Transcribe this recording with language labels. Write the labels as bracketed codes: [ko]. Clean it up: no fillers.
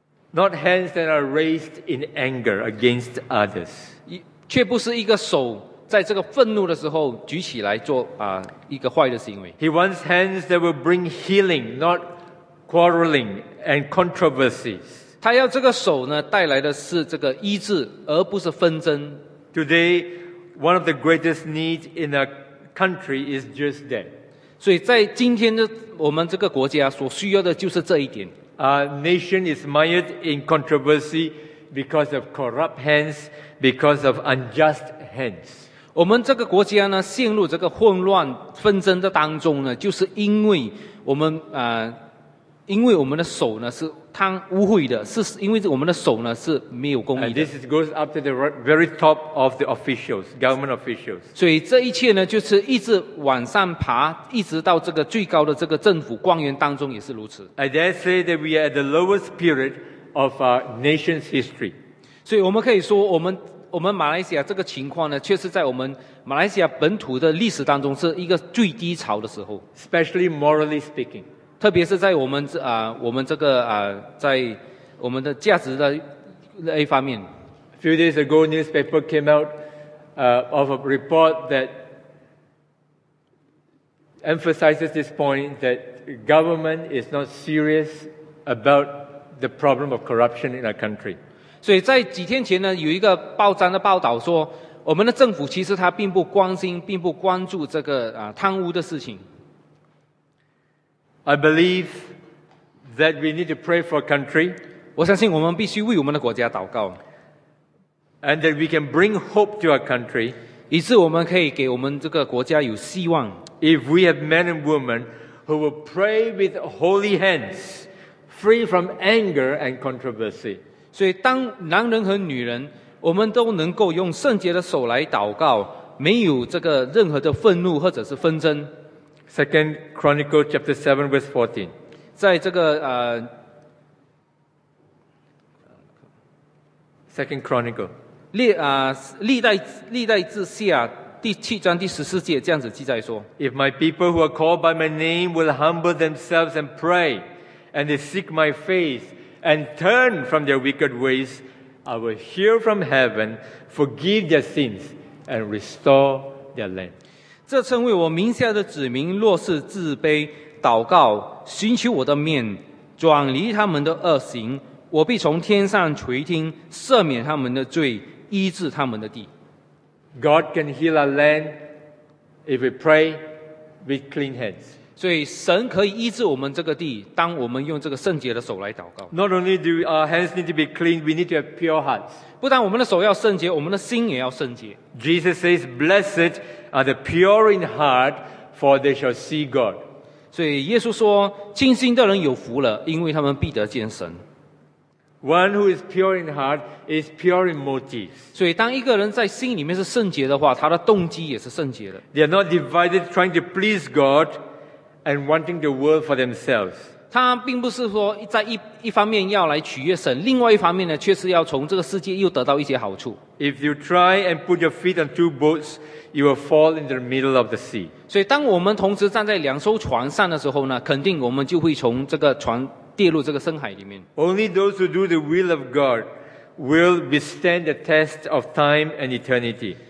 [en] Not hands that are raised in anger against others. [zh] 却不是一个手在这个愤怒的时候举起来做一个坏的行为。 [en] He wants hands that will bring healing, not quarreling and controversies. [zh] 他要这个手呢带来的是这个医治，而不是纷争。 [en] Today, one of the greatest needs in a country is just that. [zh] 所以在今天的我们这个国家所需要的就是这一点。 [en] Our nation is mired in controversy because of corrupt hands, because of unjust hands. [zh] 我们这个国家呢陷入这个混乱纷争的当中呢，就是因为我们因为我们的手呢是贪污秽的，是因为我们的手呢是没有公义的。 [en] And this goes up to the very top of the officials, government officials. [zh] 所以这一切呢，就是一直往上爬，一直到这个最高的这个政府官员当中也是如此。 [en] I dare say that we are at the lowest period of our nation's history. [zh] 所以我们可以说，我们马来西亚这个情况呢，确实在我们马来西亚本土的历史当中是一个最低潮的时候。 [en] Especially morally speaking. [zh] 特别是在我们我们这个在我们的价值的那一方面。 [en] A few days ago, newspaper came out of a report that emphasizes this point that government is not serious about the problem of corruption in our country. [zh] 所以在几天前呢，有一个报章的报道说，我们的政府其实他并不关心、并不关注这个贪污的事情。 [en] I believe that we need to pray for a country. [zh] 我相信我们必须为我们的国家祷告。 [en] And that we can bring hope to our country. [zh] 以致我们可以给我们这个国家有希望。 [en] If we have men and women who will pray with holy hands, free from anger and controversy. [zh] 所以当男人和女人，我们都能够用圣洁的手来祷告，没有这个任何的愤怒或者是纷争。 [en] Second Chronicle chapter 7 verse 14. [zh] 在这个 [en] Second Chronicle. [zh] 历代志下第七章第十四节这样子记载说， [en] If my people who are called by my name will humble themselves and pray, and they seek my face, and turn from their wicked ways, I will hear from heaven, forgive their sins, and restore their land. [zh] 这称为我名下的子民若是自卑祷告寻求我的面，转离他们的恶行，我必从天上垂听，赦免他们的罪，医治他们的地。 [en] God can heal our land if we pray with clean hands. [zh] 所以神可以医治我们这个地，当我们用这个圣洁的手来祷告。 [en] Not only do our hands need to be clean, we need to have pure hearts. [zh] 不但我们的手要圣洁，我们的心也要圣洁。 [en] Jesus says, blessedare the pure in heart, for they shall see God. [zh] 所以耶稣说，清心的人有福了，因为他们必得见神。 [en] One who is pure in heart is pure in motives. [zh] 所以当一个人在心里面是圣洁的话，他的动机也是圣洁的。 [en] They are not divided trying to please God and wanting the world for themselves. [zh] 他并不是说在一方面要来取悦神，另外一方面呢，却是要从这个世界又得到一些好处。 [en] If you try and put your feet on two boats,You will fall into the middle of the sea. [zh] 所以当我们同时站在两艘船上的时候呢，肯定我们就会从这个船跌入这个深海里面。 [en] Only those who do the will of God will withstand the test of time and eternity.